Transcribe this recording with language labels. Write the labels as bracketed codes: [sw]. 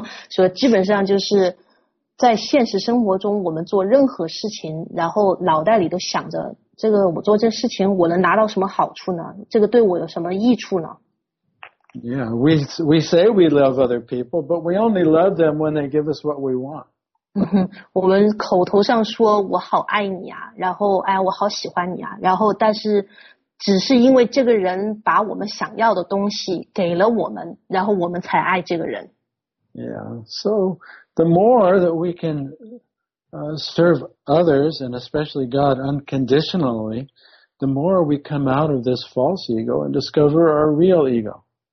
[zh] 所以基本上就是在现实生活中，我们做任何事情，然后脑袋里都想着这个，我做这事情，我能拿到什么好处呢？这个对我有什么益处呢 [en] ？Yeah, we say we love other people, but we only love them when they give us what we want. [zh] 我们口头上说我好爱你啊，然后哎我好喜欢你啊，然后但是只是因为这个人把我们想要的东西给了我们，然后我们才爱这个人。 [en] Yeah, so the more that we can serve others and especially God unconditionally, the more we come out of this false ego and discover our real ego.